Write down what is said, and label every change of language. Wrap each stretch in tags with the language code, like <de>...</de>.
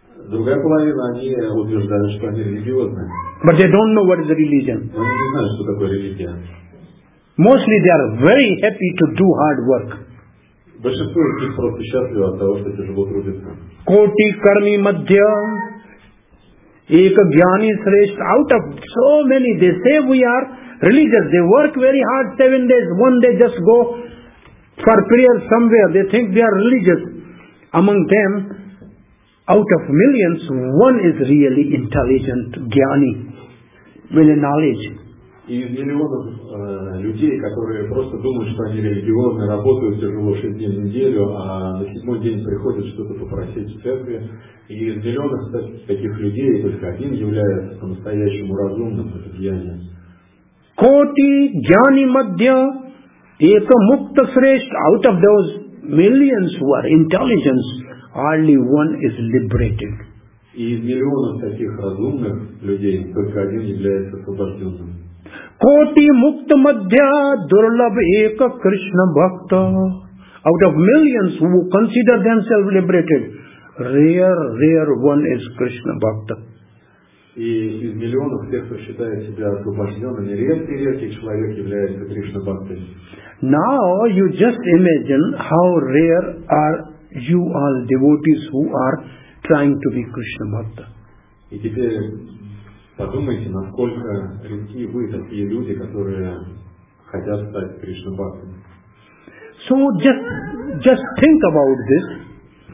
<ru>Другая половина, они утверждают, что они религиозные.</ru> <en>But they don't know what is religion.</en> <ru>Они не знают, что такое религия.</ru> <en>Mostly they are very happy to do hard work.</en> <ru>Большинство из них просто счастливы от того, что тяжело трудятся.</ru> <sa>Коти карми мадья. Ek jnani shrestha,</sa> <en>out of so many, they say we are religious, they work very hard 7 days, one day just go for prayer somewhere, they think they are religious. Among them, out of millions, one is really intelligent, jnani, with knowledge.</en> <ru>Из миллионов людей, которые просто думают, что они религиозны, работают тяжело 6 дней в неделю, а на 7-й день приходят что-то попросить в церкви, и из миллионов таких людей только один является по-настоящему разумным, это джняни.</ru> <sa>Коти джняни мадья, эка мукта срешт,</sa> <en>out of those millions who are intelligent, only one is liberated.</en> <ru>И из миллионов таких разумных людей только один является освобожденным.</ru> <sa>Koti mukta madhya durlab eka krishna bhakta.</sa> <en>Out of millions who consider themselves liberated, rare one is krishna bhakta.</en> <ru>И из миллионов тех, кто считает себя освобожденными, редкий человек является Кришна Бхактой.</ru> <en>Now you just imagine how rare are you all devotees who are trying to be krishna bhakta.</en> <ru>И теперь подумайте, насколько редки вы такие люди, которые хотят стать Кришна-бхактами.</ru> <en>So just think about this.</en>